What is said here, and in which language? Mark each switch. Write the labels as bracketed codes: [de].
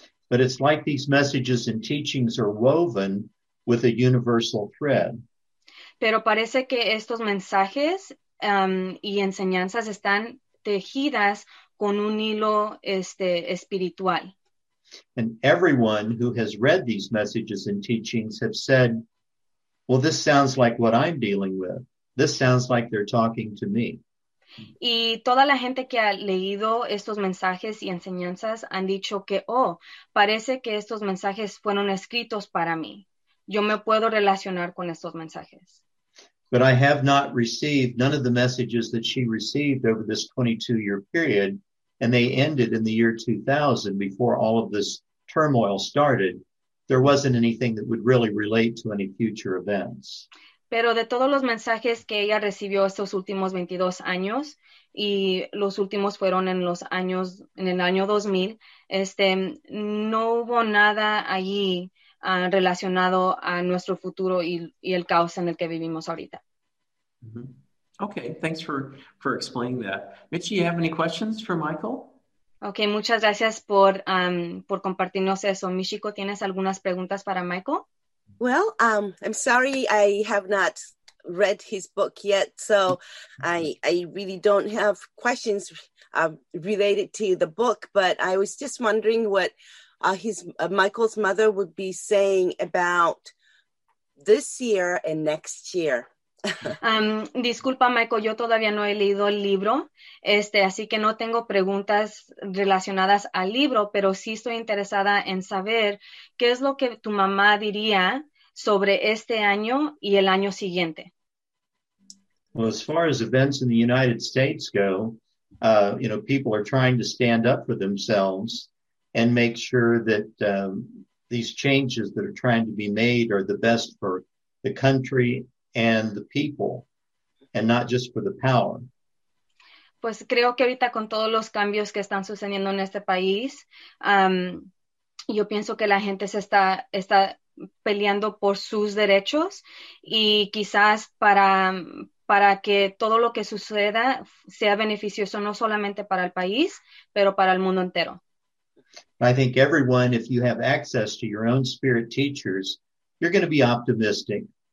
[en] But it's like these messages and teachings are woven with a universal thread. [es] Pero parece que estos mensajes y enseñanzas están tejidas con un hilo espiritual. [en] And everyone who has read these messages and teachings have said, well, this sounds like what I'm dealing with. This sounds like they're talking to me. [es] Y toda la gente que ha leído estos mensajes y enseñanzas han dicho que, oh, parece que estos mensajes fueron escritos para mí. Yo me puedo relacionar con estos mensajes. [en] But I have not received none of the messages that she received over this 22-year period, and they ended in the year 2000 before all of this turmoil started. There wasn't anything that would really relate to any future events. [es] Pero de todos los mensajes que ella recibió estos últimos 22 años, y los últimos fueron en los años, en el año 2000, no hubo nada allí relacionado a nuestro futuro y el caos en el que vivimos ahorita. Mm-hmm. [en] Okay, thanks for explaining that. Mitchie, you have any questions for Michael? [es] Okay, muchas gracias por compartirnos eso. Michiko, ¿tienes algunas preguntas para Michael? [en] Well, I'm sorry I have not read his book yet, so I really don't have questions related to the book, but I was just wondering what Michael's mother would be saying about this year and next year. [es] Disculpa, Michael, yo todavía no he leído el libro, así que no tengo preguntas relacionadas al libro, pero sí estoy interesada en saber qué es lo que tu mamá diría sobre este año y el año siguiente. [en] Well, as far as events in the United States go, people are trying to stand up for themselves and make sure that these changes that are trying to be made are the best for the country and the people, and not just for the power. [es] Pues creo que ahorita con todos los cambios que están sucediendo en este país, yo pienso que la gente se está peleando por sus derechos y quizás para que todo lo que suceda sea beneficioso no solamente para el país, pero para el mundo entero. [en] I think everyone, if you have access to your own spirit teachers, you're going to be optimistic.